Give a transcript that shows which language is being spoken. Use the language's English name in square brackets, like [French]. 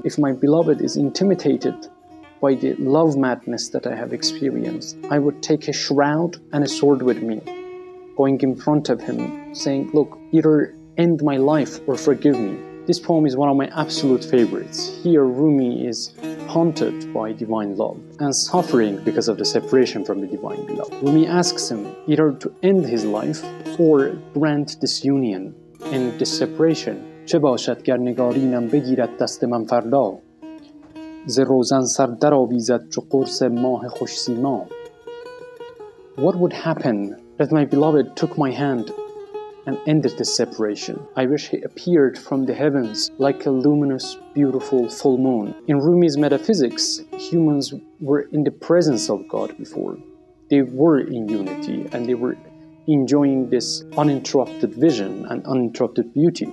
[English] If my beloved is intimidated by the love madness that I have experienced, I would take a shroud and a sword with me, going in front of him, saying, look, either end my life or forgive me. This poem is one of my absolute favorites. Here, Rumi is haunted by divine love and suffering because of the separation from the divine beloved. Rumi asks him either to end his life or grant this union and this separation. [Persian] چه باشد گر نگارینم بگیرد دست من فردا ز روزن سر در آویزد چو قرص ماه خوش سیما. [English] What would happen that my beloved took my hand and ended this separation? I wish he appeared from the heavens like a luminous, beautiful full moon. In Rumi's metaphysics, humans were in the presence of God before. They were in unity and they were enjoying this uninterrupted vision and uninterrupted beauty.